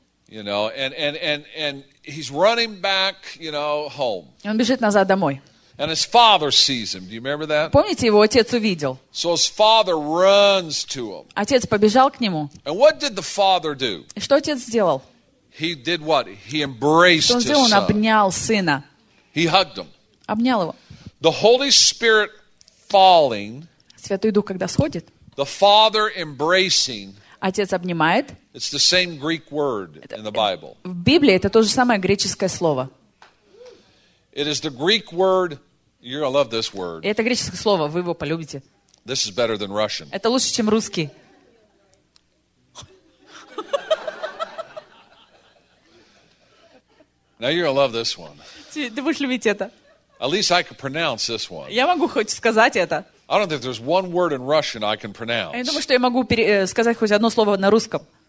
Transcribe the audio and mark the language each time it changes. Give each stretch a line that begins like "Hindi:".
English: You know, and he's running back, you know, home.
Russian: И он бежит назад домой.
English: And his father sees him. Do you remember that?
Russian: Помните, его отец увидел.
English: So his father runs to him.
Russian: Отец побежал к нему.
English: And what did the father do?
Russian: И что отец сделал?
English: He did what? He embraced his son.
Russian: Он обнял сына.
English: He hugged him.
Russian: Обнял его.
English: The Holy Spirit falling.
Russian: Святой Дух, когда сходит.
English: The father embracing.
Russian: Отец обнимает.
English: It's the same Greek word in the Bible.
Russian: В Библии это то же самое греческое слово.
English: It is the Greek word. You're gonna love this word.
Russian: Это греческое слово. Вы его полюбите.
English: This is better than Russian.
Russian: Это лучше, чем русский.
English: Now you're gonna love this one.
Russian: Ты будешь любить это.
English: At least I can pronounce this one.
Russian: Я могу хоть сказать это.
English: I don't think there's one word in Russian I can pronounce.
Russian: Я думаю, что я могу сказать хоть одно слово на русском.